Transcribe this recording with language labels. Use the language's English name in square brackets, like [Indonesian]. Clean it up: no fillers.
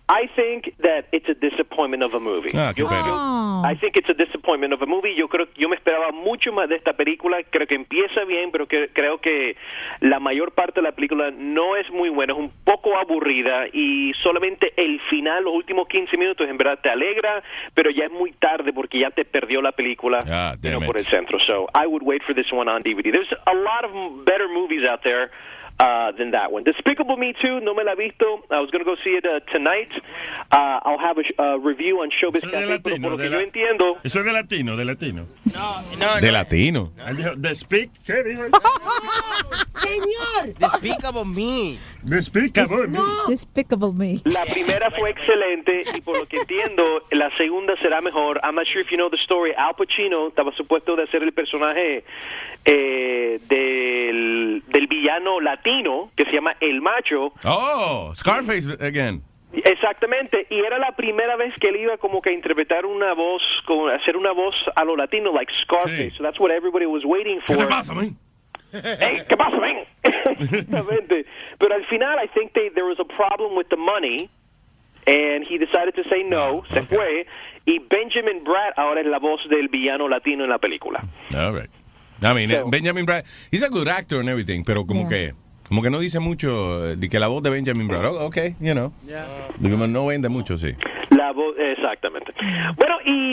[English] I think that it's a disappointment of a movie. [Spanish] Ah, qué pena. [English] I think it's a disappointment of a movie. [Spanish] Yo me esperaba mucho más de esta película. Creo que empieza bien, pero creo que la mayor parte de la película no es muy buena. Es un poco aburrida y solamente el final, los últimos 15 minutos, en verdad te alegra, pero ya es muy tarde porque ya te perdió la película por el centro. [English] So I would wait for this one on DVD. There's a lot of better movies out there than that one. Despicable Me 2, [Spanish] no me la he visto. [English] I was going to go see it tonight. I'll have a review on Showbiz Cafe, Latino, [Spanish] pero por lo que yo entiendo... Eso es de latino. No. ¿De latino? ¡Señor! [English] Despicable Me. [Spanish] La primera fue excelente, y por lo que entiendo, la segunda será mejor. [English] I'm not sure if you know the story. [Spanish] Al Pacino estaba supuesto de hacer el personaje del villano latino, que se llama El Macho. [English] Oh, Scarface again. [Spanish] Exactamente, y era la primera vez que él iba como que a interpretar una voz, como hacer una voz a lo latino, [English] like Scarface. Sí. So that's what everybody was waiting for. [Spanish] ¿Qué pasa, man? Hey, ¿qué pasa, man? Exactamente. Pero al final, [English] I think there was a problem with the money, and he decided to say no, se okay. [Spanish] fue, y Benjamin Bratt ahora es la voz del villano latino en la película. [English] All right. I mean, so, Benjamin Bratt, he's a good actor and everything, [Spanish] pero como que... Como que no dice mucho, de que la voz de Benjamin Bratt, [English] okay, you know. Yeah. [Spanish] Como no vende mucho, sí. La voz, exactamente. Bueno, y...